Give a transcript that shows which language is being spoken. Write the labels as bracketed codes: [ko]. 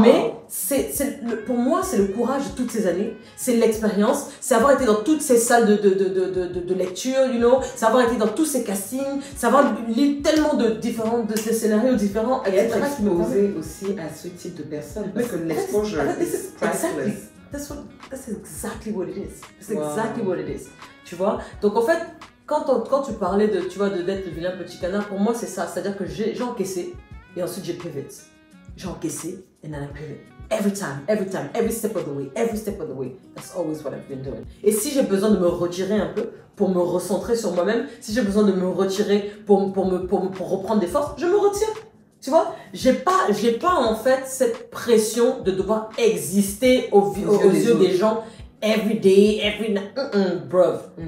[fr] Mais c'est le, pour moi, c'est le courage de toutes ces années, c'est l'expérience, c'est avoir été dans toutes ces salles de lecture, [en] you know, [fr] c'est avoir été dans tous ces castings, c'est avoir lu tellement de différents, de ces scénarios différents, et être exposé aussi à ce type de personnes, parce que l'exposure est priceless. [en] Exactly. That's exactly what it is. [fr] Tu vois? Donc en fait, quand tu parlais de, tu vois, de d'être devenu un petit canard, pour moi c'est ça. C'est-à-dire que j'ai encaissé et ensuite j'ai pivot. J'ai encaissé et [en] then I pivot. Every time, every step of the way. That's always what I've been doing. [fr] Et si j'ai besoin de me retirer un peu pour me recentrer sur moi-même, si j'ai besoin de me retirer pour reprendre des forces, je me retire. Tu vois, j'ai pas en fait cette pression de devoir exister aux yeux des gens [en] every day, bruv.